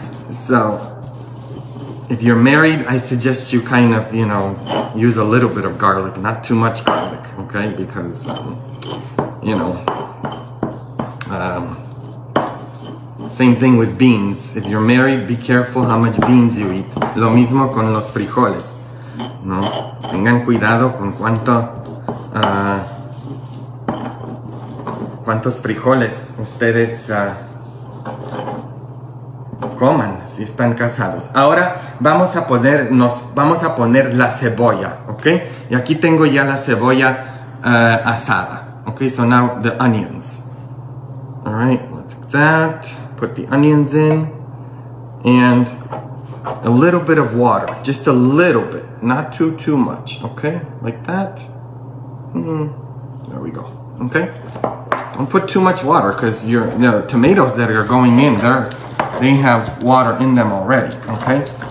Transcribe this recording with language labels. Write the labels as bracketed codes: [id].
[en] So, if you're married, I suggest you kind of, you know, use a little bit of garlic, not too much garlic, okay? Because, you know, same thing with beans. If you're married, be careful how much beans you eat. [es] Lo mismo con los frijoles, ¿no? Tengan cuidado con cuántos frijoles ustedes coman si están casados. Ahora vamos a poner la cebolla, ¿ok? Y aquí tengo ya la cebolla asada, ¿ok? [en] So now the onions. All right, let's get that. Put the onions in and a little bit of water, just a little bit, not too much, okay? Like that. There we go. Okay, don't put too much water because your tomatoes that are going in there, they have water in them already, okay?